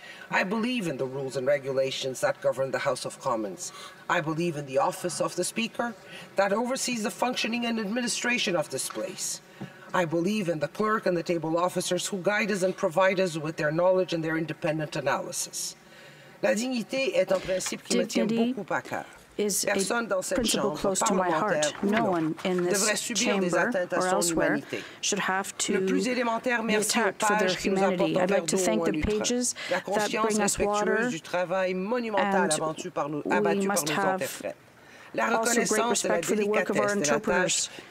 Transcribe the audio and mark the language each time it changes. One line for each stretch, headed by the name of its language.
English: I believe in the rules and regulations that govern the House of Commons. I believe in the office of the Speaker that oversees the functioning and administration of this place. I believe in the clerk and the table officers who guide us and provide us with their knowledge and their independent analysis.
French: La dignité est un principe qui me tient beaucoup à cœur.
English: Is a principle close to my heart. No one in this chamber or elsewhere should have to be attacked for their humanity. I'd like to thank the pages that bring us water, and we must have also great respect for the work of our interpreters.